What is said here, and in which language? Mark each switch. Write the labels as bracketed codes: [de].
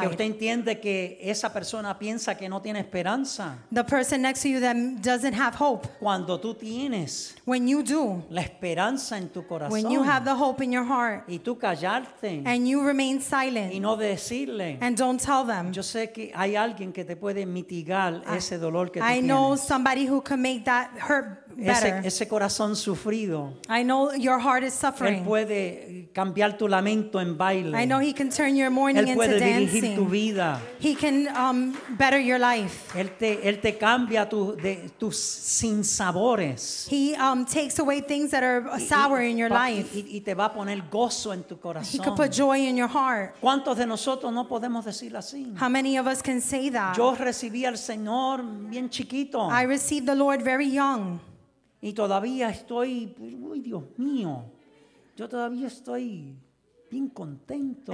[es] Que usted entiende que esa persona piensa que no tiene esperanza. [en] The person next to you that doesn't have hope. [es] Cuando tú tienes. [en] When you do. [es] La esperanza en tu corazón. [en] When you have the hope in your heart. [es] Y tú callarte. [en] And you remain silent. [es] Y no decirle. [en] And don't tell them. [es] Yo sé que hay alguien que te puede mitigar ese dolor que tú tienes. [en] I know somebody who can make that hurt better. [es] Ese corazón sufrido. [en] I know your heart is suffering. [es] Él puede cambiar tu lamento en baile. [en] I know he can turn your mourning [es] él puede [en] into [es] dirigir [en] dancing. [es] Tu vida. [en] He can better your life. [es] Él te cambia tus sinsabores. [en] He takes away things that are sour in your life. [es] Y te va a poner gozo en tu corazón. [en] He can put joy in your heart. [es] ¿Cuántos de nosotros no podemos decir así? [en] How many of us can say that? [es] Yo recibí al Señor bien chiquito. [en] I received the Lord very young. [es] Y todavía estoy, uy Dios mío, yo todavía estoy bien contento.